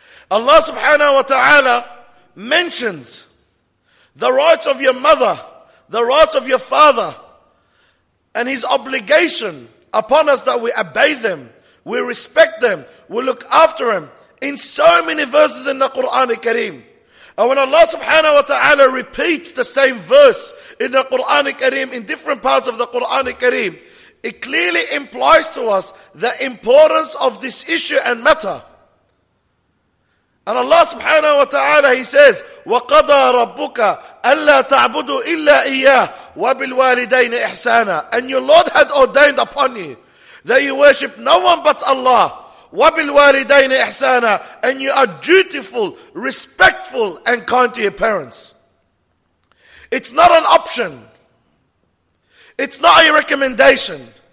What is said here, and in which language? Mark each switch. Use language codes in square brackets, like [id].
[en] Allah subhanahu wa ta'ala mentions the rights of your mother, the rights of your father, and his obligation upon us that we obey them, we respect them, we look after them in so many verses in the Quran Kareem. And when Allah subhanahu wa ta'ala repeats the same verse in the Quran Kareem, in different parts of the Quran Kareem, it clearly implies to us the importance of this issue and matter. And Allah subhanahu wa ta'ala, He says, [ar] وَقَضَى رَبُّكَ أَلَّا تَعْبُدُوا إِلَّا إِيَّاهُ وَبِالْوَالِدَيْنِ إِحْسَانًا. [en] And your Lord had ordained upon you that you worship no one but Allah. [ar] وَبِالْوَالِدَيْنِ إِحْسَانًا. [en] And you are dutiful, respectful, and kind to your parents. It's not an option. It's not a recommendation.